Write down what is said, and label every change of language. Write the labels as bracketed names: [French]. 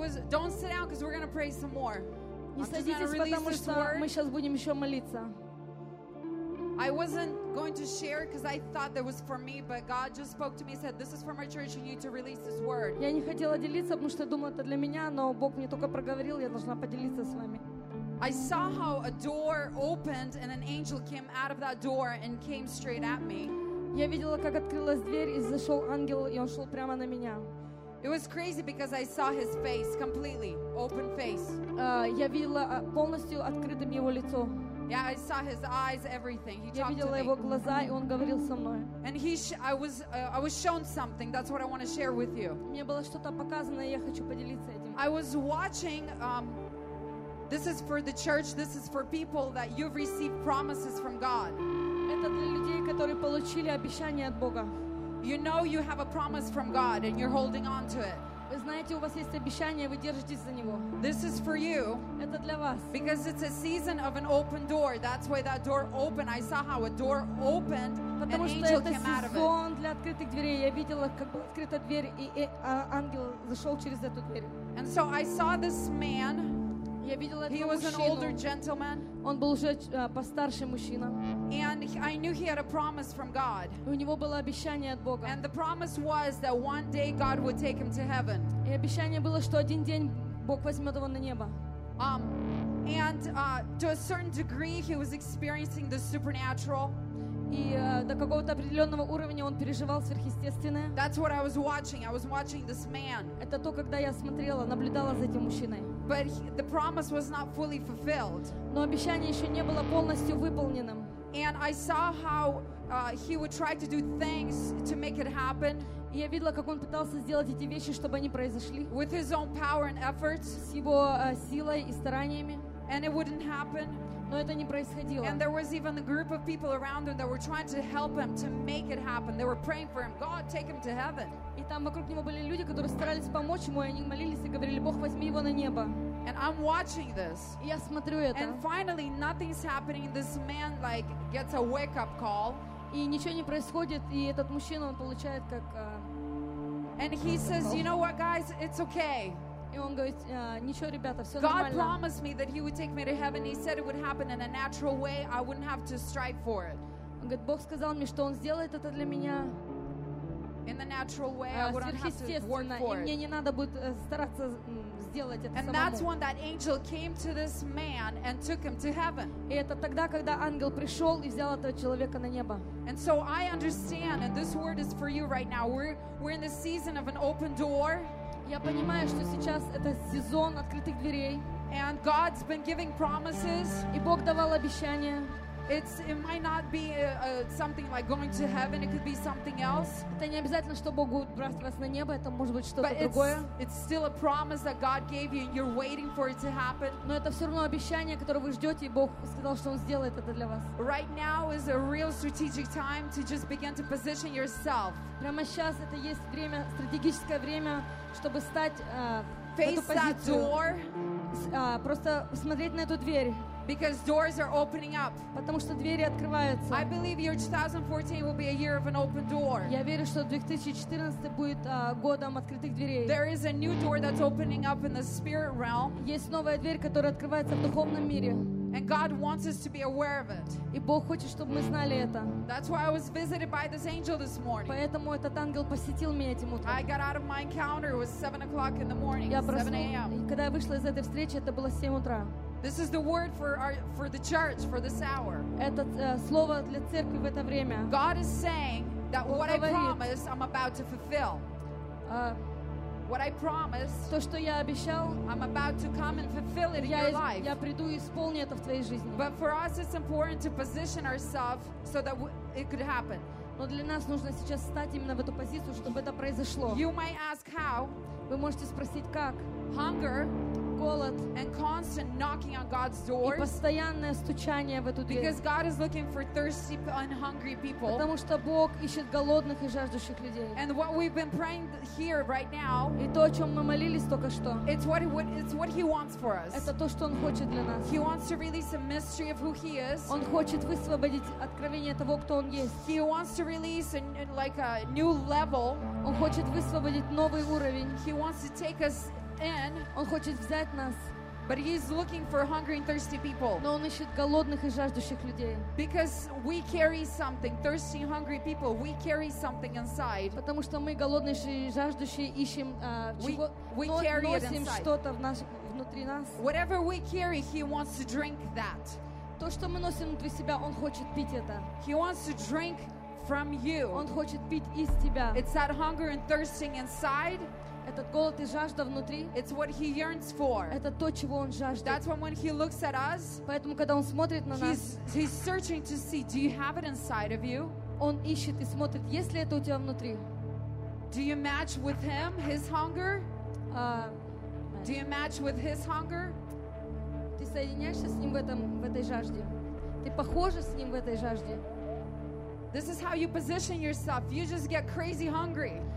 [English] Don't sit down, because we're gonna pray some more. [Russian] Не садитесь, потому что мы сейчас будем еще молиться. [English] I wasn't going to share because I thought that was for me, but God just spoke to me and said, "This is for my church. You need to release this word." [Russian] Я не хотела делиться, потому что думала, это для меня, но Бог мне только проговорил, я должна поделиться с вами. [English] I saw how a door opened and an angel came out of that door and came straight at me. [Russian] Я видела, как открылась дверь и зашел ангел, и он шел прямо на меня. [English] It was crazy because I saw his face completely, open face. [Russian] Я видела полностью открытым его лицо. [English] I saw his eyes, everything. He talked to me. [Russian] Я видела его глаза, и он говорил со мной. [English] And I was shown something. That's what I want to share with you. [Russian] Мне было что-то показано, и я хочу поделиться этим. [English] I was watching. This is for the church. This is for people that you've received promises from God. [Russian] Это для людей, которые получили обещание от Бога. [English] You know you have a promise from God, and you're holding on to it. [Russian] Вы знаете, у вас есть обещание, вы держитесь за него. [English] This is for you. [Russian] Это для вас. [English] Because it's a season of an open door. That's why that door opened. I saw how a door opened. [Russian] Потому что это сезон для открытых дверей. Я видела, как была открыта дверь, и ангел зашел через эту дверь. [English] And so I saw this man. [Russian] Я видела этого мужчину. [English] He was an older gentleman. [Russian] Он был уже постарше мужчина. [English] And I knew he had a promise from God. [Russian] У него было обещание от Бога. [English] And the promise was that one day God would take him to heaven. [Russian] И обещание было, что один день Бог возьмет его на небо. [English] To a certain degree, he was experiencing the supernatural. [Russian] И до какого-то определенного уровня он переживал сверхъестественное. [English] That's what I was watching. I was watching this man. [Russian] Это то, когда я смотрела, наблюдала за этим мужчиной. [English] But the promise was not fully fulfilled. [Russian] Но обещание еще не было полностью выполненным. [English] And I saw how he would try to do things to make it happen. [Russian] Я видела, как он пытался сделать эти вещи, чтобы они произошли. [English] With his own power and efforts. [Russian] С его силой и стараниями. [English] And it wouldn't happen. [Russian] Но это не происходило. [English] And there was even a group of people around him that were trying to help him to make it happen. They were praying for him. God, take him to heaven. [Russian] И там вокруг него были люди, которые старались помочь ему, и они молились и говорили: Бог, возьми его на небо. [English] And I'm watching this. [Russian] Я смотрю это. [English] And finally, nothing's happening. This man like gets a wake-up call. [Russian] И ничего не происходит, и этот мужчина он получает как. [English] And he says, you know what, guys, it's okay. [Russian] И он говорит: ничего, ребята, все [English] God [Russian] нормально. [English] God promised me that He would take me to heaven. He said it would happen in a natural way. I wouldn't have to strive for it. [Russian] Он говорит: Бог сказал мне, что Он сделает это для меня. [English] In the natural way, I wouldn't have to work for it. [Russian] И мне не надо будет стараться сделать это [English] and [Russian] самому. [English] And that's when that angel came to this man and took him to heaven. [Russian] И это тогда, когда ангел пришел и взял этого человека на небо. [English] And so I understand, and this word is for you right now. We're in the season of an open door. [Russian] Я понимаю, что сейчас это сезон открытых дверей. [English] And God's been giving promises. [Russian] И Бог давал обещания. [English] It might not be something like going to heaven. It could be something else. [Russian] Это не обязательно, что Бог будет брать вас на небо. Это может быть что-то другое. [English] It's still a promise that God gave you, and you're waiting for it to happen. [Russian] Но это все равно обещание, которое вы ждете, и Бог сказал, что Он сделает это для вас. [English] Right now is a real strategic time to just begin to position yourself. [Russian] Прямо сейчас это есть время, стратегическое время, чтобы стать [English] face that door. [Russian] Просто смотреть на эту дверь. [English] Because doors are opening up. [Russian] Потому что двери открываются. [English] I believe your 2014 will be a year of an open door. [Russian] Я верю, что 2014 будет годом открытых дверей. [English] There is a new door that's opening up in the spirit realm. [Russian] Есть новая дверь, которая открывается в духовном мире. [English] And God wants us to be aware of it. [Russian] И Бог хочет, чтобы мы знали это. [English] That's why I was visited by this angel this morning. [Russian] Поэтому этот ангел посетил меня этим утром. [English] I got out of my encounter. It was 7 o'clock in the morning. 7 a.m. [Russian] Когда я вышла из этой встречи, это было 7 утра. [English] This is the word for the church for this hour. [Russian] Это слово для церкви в это время. [English] God is saying that what I promised, I'm about to fulfill. What I promised, [Russian] то, что я обещал, [English] I'm about to come and fulfill it in your life. [Russian] Я приду и исполню это в твоей жизни. [English] But for us, it's important to position ourselves so that it could happen. [Russian] Но для нас нужно сейчас стать именно в эту позицию, чтобы это произошло. [English] You might ask how. [Russian] Вы можете спросить как. [English] Hunger. [Russian] Голод. [English] And constant knocking on God's doors. [Russian] И постоянное стучание в эту дверь. [English] Because God is looking for thirsty and hungry people. [Russian] Потому что Бог ищет голодных и жаждущих людей. [English] And what we've been praying here right now. [Russian] И то, о чем мы молились только что. [English] It's what He wants for us. [Russian] Это то, что Он хочет для нас. [English] He wants to release a mystery of who He is. [Russian] Он хочет высвободить откровение того, кто Он есть. [English] He wants to release a new level. [Russian] Он хочет высвободить новый уровень. [English] He wants to take us. [Russian] Он хочет взять нас. [English] But he's looking for hungry and thirsty people. [Russian] Но он ищет голодных и жаждущих людей. [English] Because we carry something, thirsty, hungry people, we carry something inside. [Russian] Потому что мы голодные и жаждущие ищем носим что-то внутри нас. [English] Whatever we carry, he wants to drink that. [Russian] То, что мы носим внутри себя, он хочет пить это. [English] He wants to drink from you. [Russian] Он хочет пить из тебя. [English] It's that hunger and thirsting inside. [Russian] Этот голод и жажда внутри. [English] It's what he yearns for. [Russian] Это то, чего он жаждет. [English] That's when he looks at us. [Russian] Поэтому, когда он смотрит на нас, [English] he's searching to see, do you have it inside of you? [Russian] Он ищет и смотрит, есть ли это у тебя внутри. [English] Do you match with him, his hunger? Do you match with his hunger? [Russian] Ты соединяешься с ним в этой жажде? Ты похожа с ним в этой жажде? [English] This is how you position yourself. You just get crazy hungry.